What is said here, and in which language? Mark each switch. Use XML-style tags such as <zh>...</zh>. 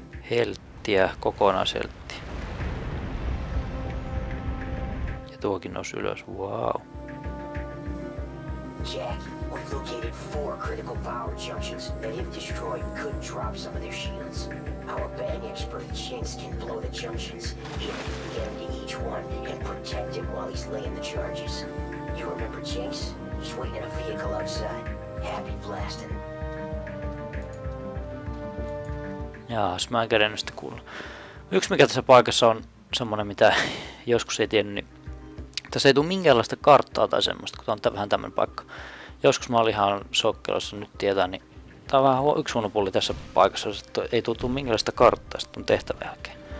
<fi>Helttiä, kokonaiseltti. Ja tuokin nousi ylös, wow.</fi> <en>Jack, we've located 4 critical power junctions that if destroyed could drop some of their shields. Our bang expert Jinx can blow the junctions, hit the end to each one, and protect him while he's laying the charges. You remember Jinx? He's waiting in a vehicle outside. Happy blasting.</en> <fi>Jaas, mä en kerennyt sitä kuulla. Yksi mikä tässä paikassa on semmonen, mitä joskus ei tiennyt, niin tässä ei tule minkäänlaista karttaa tai semmoista, kun tää on vähän tämmönen paikka. Joskus mä olin ihan sokkelossa, nyt tietää, niin tää on vähän yksi huonopuoli tässä paikassa, että ei tule minkäänlaista karttaa sitten on tehtävä jälkeen.</fi>